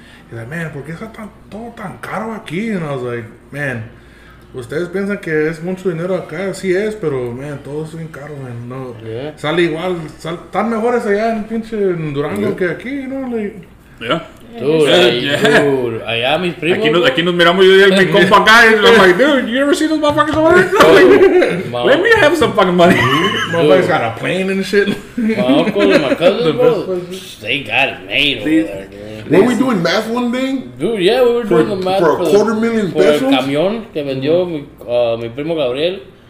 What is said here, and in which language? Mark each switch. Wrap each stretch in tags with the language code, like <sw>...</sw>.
<en>He's like, man,</en> <es>¿por qué está todo tan caro aquí?</es> <en>And I was like, man,</en> <es>ustedes piensan que es mucho dinero acá. Sí es, pero, man, todo es bien caro, man. No,</es> <en>yeah.</en> <es>Sale igual, están mejores allá en pinche en Durango que aquí,</es> <en>you know? Like,</en> <es>Dude, allá mis primos. Aquí nos miramos yo y mi compa acá.</es> <en>Y I'm like, dude, you ever seen those motherfuckers over there? No, let me have some fucking money. Motherfuckers got a plane and shit. My uncle and my cousin, they got it made over there. Were we doing math one day? Dude, yeah, we were doing the math for a quarter million for pesos. For a</en> <es>camión que vendió mi primo Gabriel.</es>